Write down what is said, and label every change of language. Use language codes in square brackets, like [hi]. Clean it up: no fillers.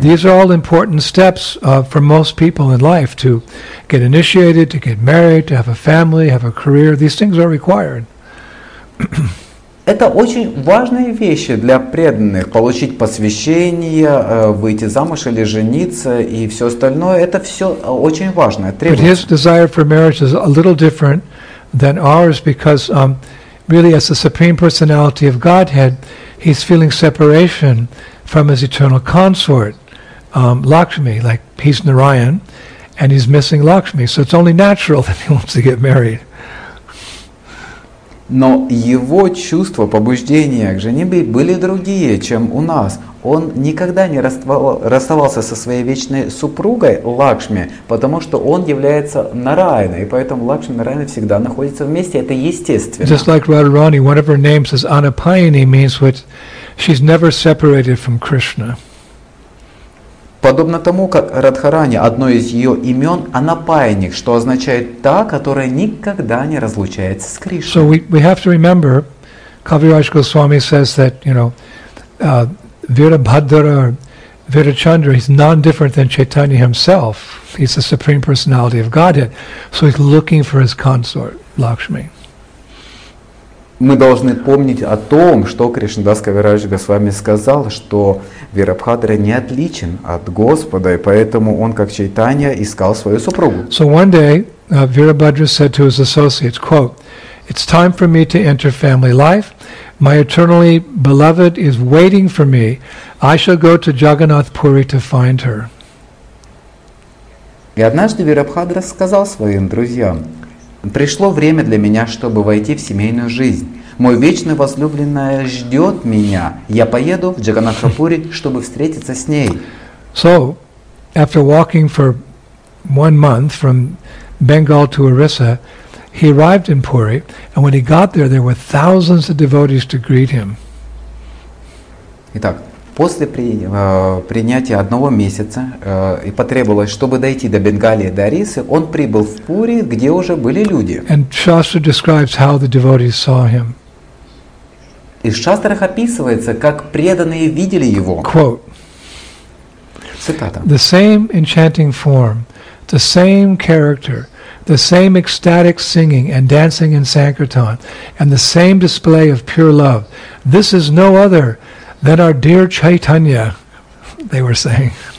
[en] These are all important steps for most people in life to get initiated, to get married, to have a family, have a career. These things are required. [ru] Это очень важные вещи для преданных. Получить посвящение, выйти замуж или жениться и все остальное. Это все очень важно. [en] But his desire for marriage is a little different than ours because really as the Supreme Personality of Godhead, he's feeling separation from his eternal consort, Lakshmi, like he's Narayan, and he's missing Lakshmi. So it's only natural that he wants to get married. [ru] Но его чувства, побуждения к женитьбе были другие, чем у нас. Он никогда не расставался со своей вечной супругой Лакшми, потому что он является Нараяной, и поэтому Лакшми и Нараяна всегда находятся вместе, это естественно. [en] Just like Radharani, one of her names is Anapayani, means what she's never separated from Krishna. [ru] Подобно тому, как Радхарани, одно из ее имен Анапаяни, что означает «та, которая никогда не разлучается с Кришной». [en] So we have to remember, Kaviraj Goswami says that, you know, Virabhadra or Virachandra, he's non-different than Chaitanya himself. He's the Supreme Personality of Godhead. So he's looking for his consort, Lakshmi. [ru] Мы должны помнить о том, что Кришнадас Кавирадж Госвами сказал, что Вирабхадра не отличен от Господа, и поэтому он, как Чайтанья, искал свою супругу. [en] So one day, Virabhadra said to his associates, quote, it's time for me to enter family life. My eternally beloved is waiting for me. I shall go to Jagannath Puri to find her. [ru] И однажды Вирабхадра сказал своим друзьям, пришло время для меня, чтобы войти в семейную жизнь. Мой вечный возлюбленный ждет меня. Я поеду в Джаганнатхапури, чтобы встретиться с ней. [en] So, after walking for one month from Bengal to Orissa, he arrived in Puri, and when he got there, there were thousands of devotees to greet him. [ru] Итак, после принятия одного месяца и потребовалось, чтобы дойти до Бенгалии, до Орисы, он прибыл в Пури, где уже были люди. [en] And Shastra describes how the devotees saw him. [ru] И в Шастрах описывается, как преданные видели его. [en] Quote. [ru] Цитата. [en] The same enchanting form, the same character, the same ecstatic singing and dancing in Sankirtan, and the same display of pure love. This is no other than our dear Chaitanya, they were saying.